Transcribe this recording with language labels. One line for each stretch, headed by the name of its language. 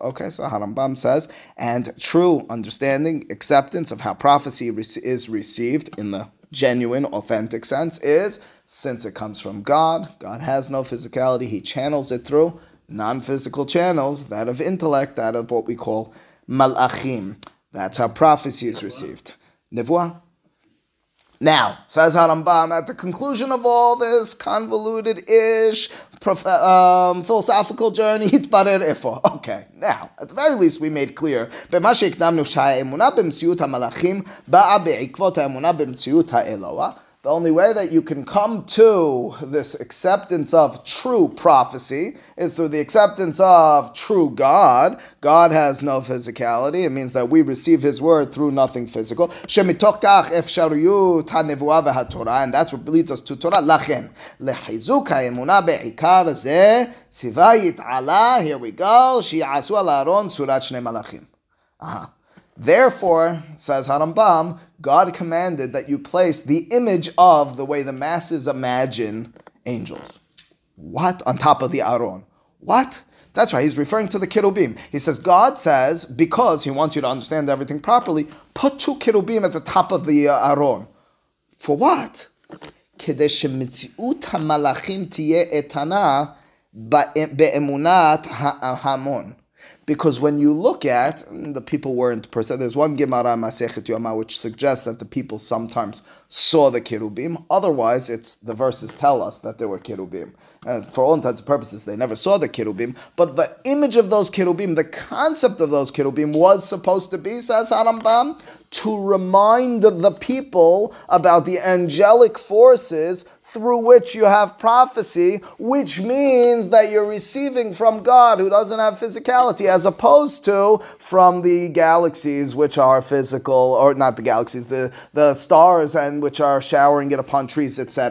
English: Okay, so Harambam says, and true understanding, acceptance of how prophecy is received in the genuine, authentic sense is, since it comes from God, God has no physicality, he channels it through non-physical channels, that of intellect, that of what we call malachim. That's how prophecy is received. Nevuah. Now, says Harambam, at the conclusion of all this convoluted-ish philosophical journey, itbarer efo. Okay, now, at the very least, we made clear,
Hebrew: במה שהקדמנו שהאמונה במציאות המלאכים באה בעקבות האמונה במציאות האלוה.
English: The only way that you can come to this acceptance of true prophecy is through the acceptance of true God. God has no physicality. It means that we receive his word through nothing physical.
Hebrew: שמתוך כך אפשריות הנבואה והתורה,
English: and that's what leads us to Torah.
Hebrew: לכן, לחיזוק האמונה בעיקר זה, סיבה יתעלה,
English: here we go,
Hebrew: שיעשו על אהרון צורת שני מלאכים.
English: Therefore, says Harambam, God commanded that you place the image of the way the masses imagine angels. What? On top of the Aaron. What? That's right, he's referring to the Kirubim. He says, God says, because he wants you to understand everything properly, put two Kirubim at the top of the Aaron. For what?
Hebrew: כדי שמציאות המלאכים תהיה איתנה באמונת ההמון.
English: Because when you look at, the people weren't per se, there's one Gemara Masechet Yoma which suggests that the people sometimes saw the Kirubim. Otherwise, it's the verses tell us that there were Kirubim. And for all intents and purposes, they never saw the Kirubim. But the image of those Kirubim, the concept of those Kirubim was supposed to be, says Harambam, to remind the people about the angelic forces through which you have prophecy, which means that you're receiving from God who doesn't have physicality, as opposed to from the galaxies which are physical, or not the galaxies, the stars and which are showering it upon trees, etc.